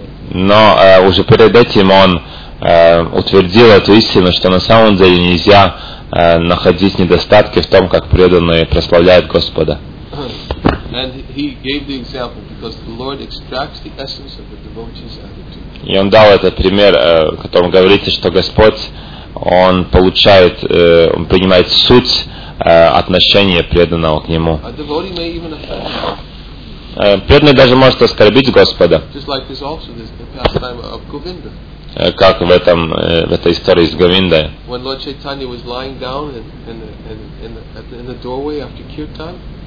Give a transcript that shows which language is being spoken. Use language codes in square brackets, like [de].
[ru] Но уже перед этим он утвердил эту истину, что на самом деле нельзя находить недостатки в том, как преданные прославляют Господа. [en] And he gave the example because the Lord extracts the essence of the devotee's attitude. [ru] И он дал этот пример, которым говорится, что Господь, он получает, он принимает суть отношения преданного к нему. [en] A devotee may even offend. [ru] Преданный даже может оскорбить Господа. [en] Just like this also this the pastime of Govinda. [ru] Как в этом в этой истории с Говиндой. [en] When Lord Chaitanya was lying down in the doorway after kirtan.